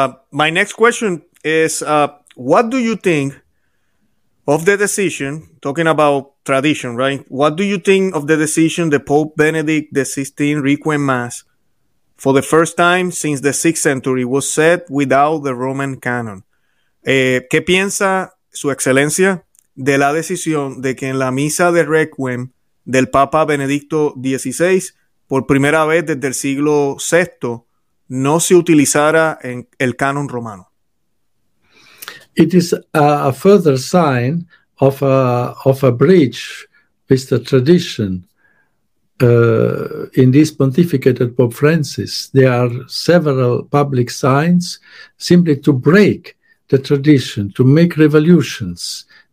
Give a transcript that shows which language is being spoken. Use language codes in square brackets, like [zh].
[en] My next question is, what do you think of the decision, talking about tradition, right? What do you think of the decision, the Pope Benedict the 16th Requiem Mass, for the first time since the 6th century, was said without the Roman canon? [es] ¿Qué piensa su excelencia de la decisión de que en la misa de Requiem del Papa Benedicto XVI, por primera vez desde el siglo VI, no se utilizara en el canon romano? [en] It is a further sign of a breach with the tradition in this pontificate of Pope Francis. There are several public signs simply to break the tradition, to make revolutions.